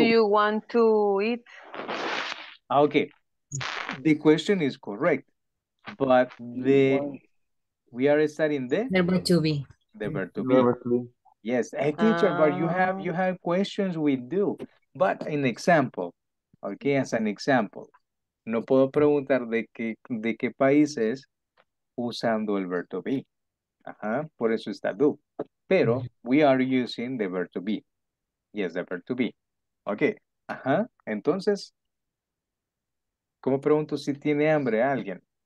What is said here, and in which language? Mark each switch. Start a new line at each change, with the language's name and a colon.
English: you want to eat? Okay. The question is correct, but we are studying the verb to be. The verb to be. Yes. Hey, teacher, but you have questions we do. But an example. Okay, as an example.
Spanish: No puedo preguntar de qué país es usando el verb to be. Ajá, por eso está do. Pero
English: we are using the verb to be. Yes, the verb to be. Okay. Ajá.
Spanish: Entonces, ¿cómo pregunto si tiene hambre a alguien?